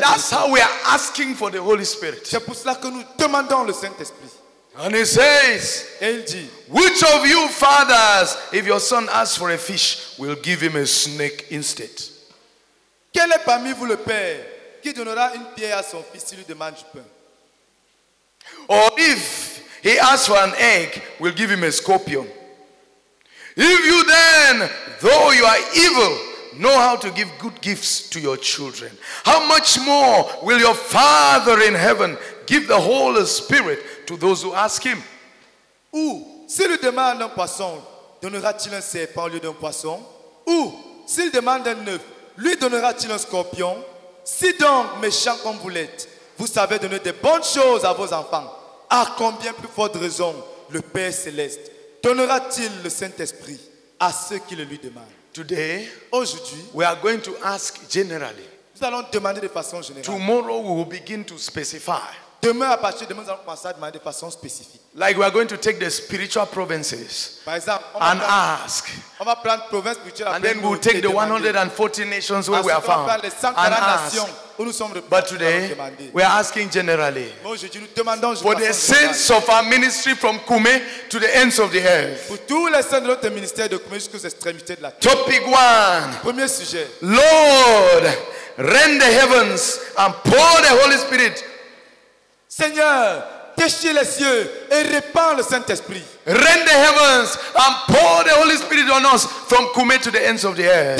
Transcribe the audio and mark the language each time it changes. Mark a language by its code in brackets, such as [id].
[en] That's how we are asking for the Holy Spirit. [fr] C'est pour cela que nous demandons le Saint-Esprit. [en] And he says, [fr] et il dit, [en] which of you fathers, if your son asks for a fish, will give him a snake instead? [fr] Quel est parmi vous le père qui donnera une pierre à son fils s'il lui demande du pain? [en] Or if he asks for an egg, will give him a scorpion? If you then, though you are evil, know how to give good gifts to your children, how much more will your Father in heaven give the Holy Spirit to those who ask him? [fr] Ou s'il lui demande un poisson, donnera-t-il un serpent au lieu d'un poisson? Ou s'il demande un œuf, lui donnera-t-il un scorpion? Si donc, méchant comme vous l'êtes, vous savez donner des bonnes choses à vos enfants, à combien plus forte raison le Père céleste donnera-t-il le Saint-Esprit à ceux qui le lui demandent? [en] Today, [fr] aujourd'hui, [en] we are going to ask generally. [fr] Nous allons demander de façon générale. [en] Tomorrow we will begin to specify. [fr] Demain à partir de demain, nous allons commencer à demander de façon spécifique. [en] Like we are going to take the spiritual provinces. [fr] Par exemple, [en] and ask. [fr] On va prendre province spirituelle. [en] And then we'll take the 140 nations where we are found. And ask. But today, we are asking generally. [fr] Aujourd'hui, nous demandons [en] for the saints of our ministry from Koumé to the ends of the earth. [fr] Pour tous les saints de notre ministère de Koumé jusqu'aux extrémités de la terre. [en] Topic one. [fr] Premier sujet. [en] Lord, rend the heavens and pour the Holy Spirit. [fr] Seigneur, déchire les cieux et répands le Saint-Esprit. [en] Rend the heavens and pour the Holy Spirit on us from Koumé to the ends of the earth.